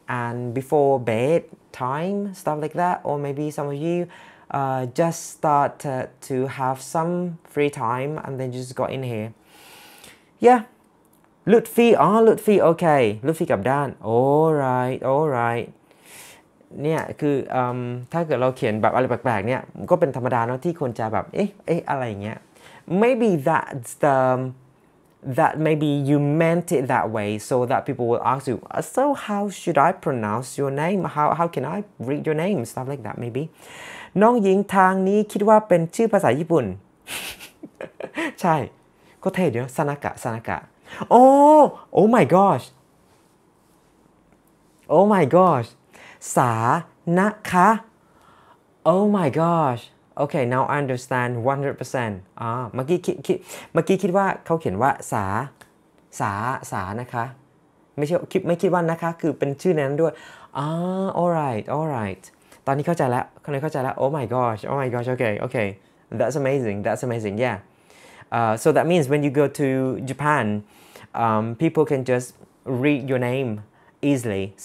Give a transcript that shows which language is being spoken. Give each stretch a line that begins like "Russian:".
English: And before bed time, stuff like that, or maybe some of you just start to have some free time and then just got in here. Yeah, Lutfi, oh Lutfi, okay, Lutfi
Thai: กับด้าน
English: alright, alright.
Thai: เนี่ยคือถ้าเกิดเราเขียนแบบอะไรแปลกๆเนี่ยก็เป็นธรรมดาเนาะที่คนจะแบบเอ๊ะอะไรเงี้ย
English: maybe that's the... that maybe you meant it that way so that people will ask you so how should I pronounce your name how can I read your name stuff like that maybe
Thai: น้องหญิงทางนี้คิดว่าเป็นชื่อภาษาญี่ปุ่น ใช่ก็เท่เดี๋ยวซานากะซานากะโอ้
English: my gosh oh my gosh
Thai: สานะคะ
English: oh my goshOkay, now I understand 100%.
Thai: เมื่อกี้คิดว่าเขาเขียนว่าสานะคะไม่คิดว่านะคะคือเป็นชื่อนั้นด้วย
English: alright.
Thai: ตอนนี้เข้าใจแล้ว
English: oh my gosh, okay. That's amazing, yeah. So that means when you go to Japan, people can just read your name easily.